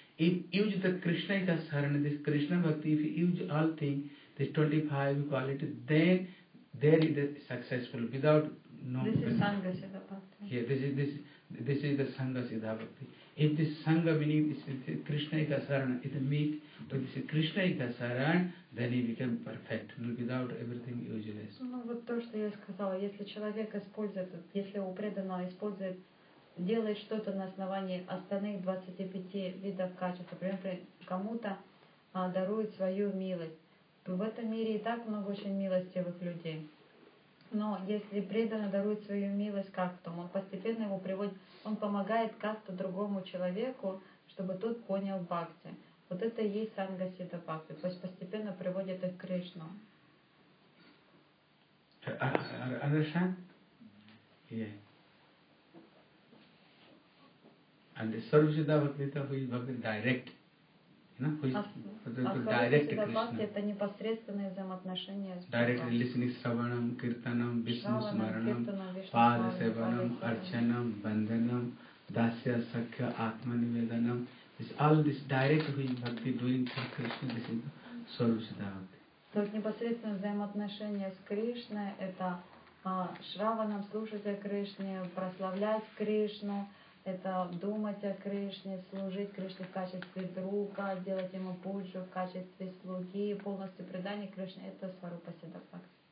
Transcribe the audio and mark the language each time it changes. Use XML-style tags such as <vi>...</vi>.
<en>If use the Krishna Sarana, this Krishna Bhakti, if you use all things, this 25 quality, then there is the successful without no. This is Sangha Siddha Bhakti. Yeah, this is the Sangha Siddha Bhakti. If this Sangha meaning this Krishna Ika Sarana, it meet with this Krishna Ika Sarana, then he become perfect without everything useless.</en> <ru>Ну вот то, что я сказала, если человек использует, если у преданного использует, делает что-то на основании остальных 25 видов качества, например, кому-то дарует свою милость, то в этом мире и так много очень милостивых людей. Но если преданно дарует свою милость как-то, он постепенно его приводит, он помогает как-то другому человеку, чтобы тот понял бхакти. Вот это и есть санга сидда бхакти, то есть постепенно приводит их к Кришну.</ru> <en>Understand? Yeah. And the Sarvashuddha Bhaktita, who is Bhakti direct, Directly listening, Sravanam, Kirtanam, Vishnu Smaranam, Pada Sevanam, Archanam, Bandhanam, Dasya Sakya, Atmanivedanam. This all this direct bhakti doing for Krishna, this is Sarvashuddha Bhakti.</en> <ru>То есть непосредственное взаимоотношение с Кришной – это шраванам слушать о Кришне, прославлять Кришну, это думать о Кришне, служить Кришне в качестве друга, делать ему пуджу в качестве слуги, полностью предание Кришне – это сварупа сиддхабхакти.</ru>